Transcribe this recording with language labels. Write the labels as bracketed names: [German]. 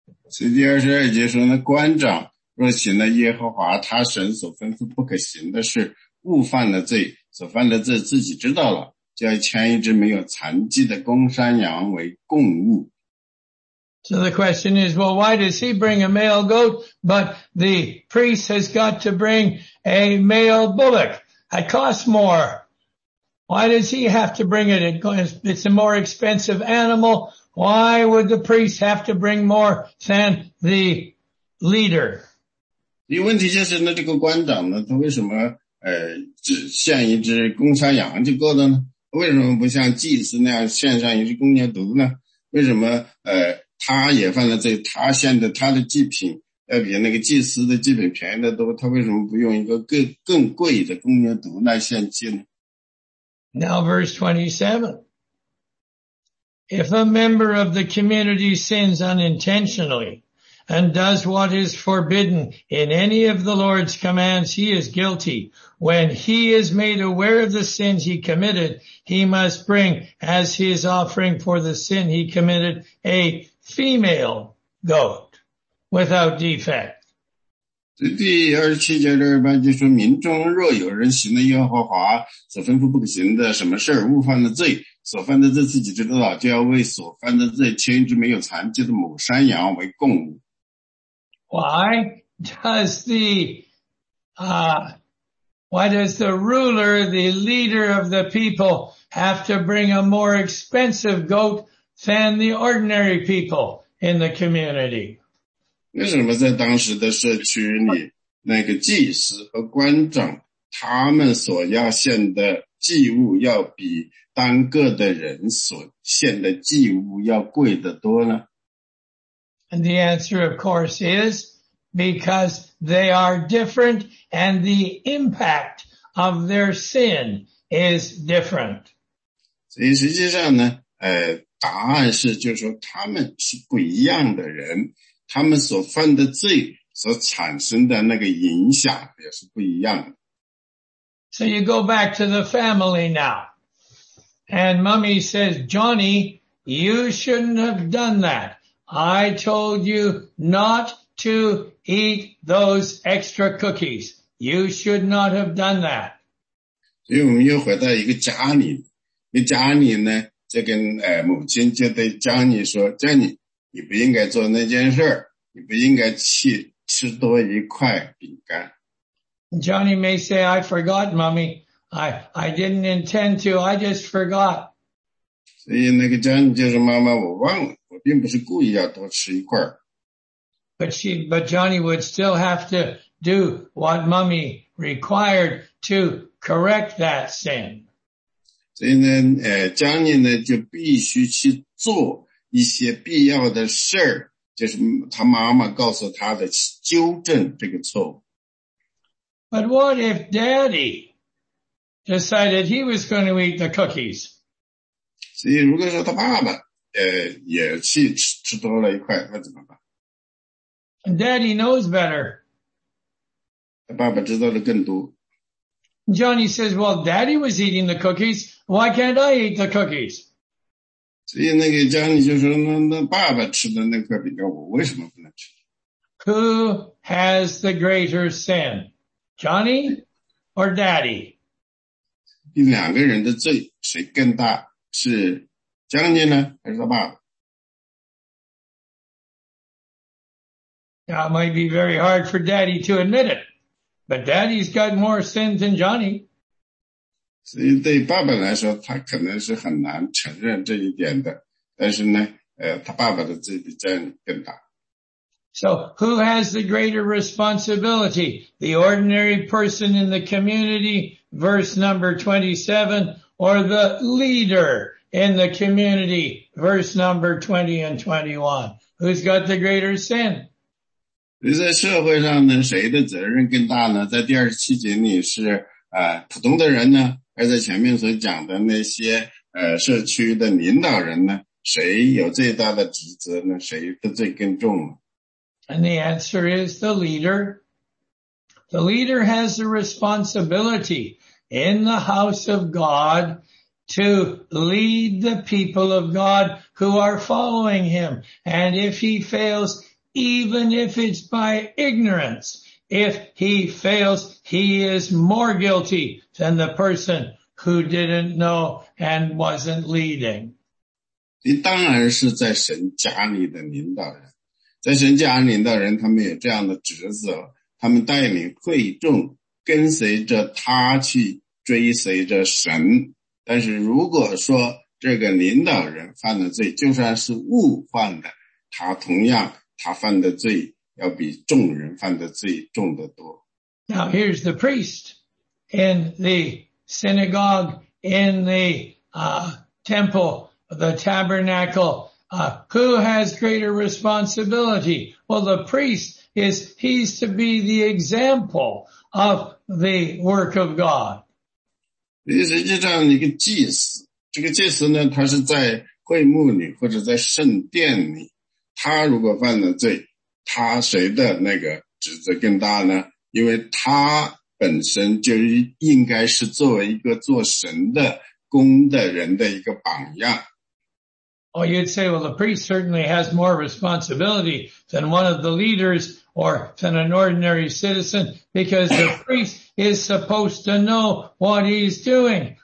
[Chinese] 所以第二十二节说呢，官长若行了耶和华他神所吩咐不可行的事，误犯了罪，所犯的罪自己知道了，就要牵一只没有残疾的公山羊为供物。 [English] So the question is, well, why does he bring a male goat, but the priest has got to bring a male bullock? It costs more. Why does he have to bring it? It's a more expensive animal. Why would the priest have to bring more than the leader? [Chinese] 你问题就是呢，这个官长呢，他为什么只献一只公山羊就够了呢？为什么不像祭司那样献上一只公牛犊呢？为什么他也犯了罪，他献的他的祭品要比那个祭司的祭品便宜得多，他为什么不用一个更贵的公牛犊来献祭呢？ [English] Now verse 27. If a member of the community sins unintentionally and does what is forbidden in any of the Lord's commands, he is guilty. When he is made aware of the sins he committed, he must bring as his offering for the sin he committed a female goat without defect. [Chinese] 第二十七节第二十八节说，民众若有人行了耶和华所吩咐不可行的什么事，误犯了罪，所犯的罪自己知道了，就要为所犯的罪牵一只没有残疾的母山羊为供物。 [English] Why does the ruler, the leader of the people, have to bring a more expensive goat than the ordinary people in the community? [Chinese] 为什么在当时的社区里，那个祭司和官长，他们所要献的祭物要比单个的人所献的祭物要贵得多呢？ [English] And the answer, of course, is,because they are different and the impact of their sin is different. [Chinese] 所以实际上呢答案是就是说他们是不一样的人，他们所犯的罪所产生的那个影响也是不一样的。 [English] So you go back to the family now. And mommy says, Johnny, you shouldn't have done that. I told you not to eat those extra cookies. You should not have done that. [Chinese] 所以我们又回到一个家里，一个家里呢，就跟母亲就对江妮说，江妮，你不应该做那件事，你不应该去吃多一块饼干。 [English] Johnny may say, I forgot, mommy. I didn't intend to, I just forgot. [Chinese] 所以那个江妮就说，妈妈，我忘了，我并不是故意要多吃一块。 [English] But Johnny would still have to do what mommy required to correct that sin. [Chinese] 所以呢Johnny 呢就必须去做一些必要的事，就是他妈妈告诉他的纠正这个错。 [English] But what if daddy decided he was going to eat the cookies? [Chinese] 所以如果说他爸爸也去吃多了一块，那怎么办？ [English] Daddy knows better. [Chinese] 爸爸知道的更多。 [English] Johnny says, well, daddy was eating the cookies. Why can't I eat the cookies? [Chinese] 所以那个 Johnny 就说，那爸爸吃的那块饼干，我为什么不能吃？ [English] Who has the greater sin? Johnny or Daddy? [Chinese] 两个人的罪谁更大？是将军呢还是他爸？ [English] Now it might be very hard for Daddy to admit it, but Daddy's got more sin than Johnny. [Chinese] 所以对爸爸来说他可能是很难承认这一点的，但是呢他爸爸的罪比将军更大。 [English] So, who has the greater responsibility? The ordinary person in the community, verse number 27, or the leader in the community, verse number 20 and 21? Who's got the greater sin? [Chinese] 在社会上呢，谁的责任更大呢？在第二十七节里是普通的人呢，还在前面所讲的那些社区的领导人呢？谁有最大的职责呢？谁的罪更重呢？ [English] And the answer is the leader. The leader has a responsibility in the house of God to lead the people of God who are following him. And if he fails, even if it's by ignorance, if he fails, he is more guilty than the person who didn't know and wasn't leading. [Chinese] 你当然是在神家里的领导人。在神家领导人他们有这样的职责，他们带领会众跟随着他去追随着神。但是如果说这个领导人犯的罪就算是误犯的，他同样他犯的罪要比众人犯的罪重得多。 [English] Now here's the priest in the synagogue, in the temple, the tabernacle. Who has greater responsibility? Well, the priest is, he's to be the example of the work of God. [Chinese] 实际上一个祭司，这个祭司呢，他是在会幕里或者在圣殿里，他如果犯了罪，他谁的那个职责更大呢？因为他本身就应该是作为一个做神的工的人的一个榜样。 [English] Oh, you'd say, well, the priest certainly has more responsibility than one of the leaders or than an ordinary citizen because the priest is supposed to know what he's doing.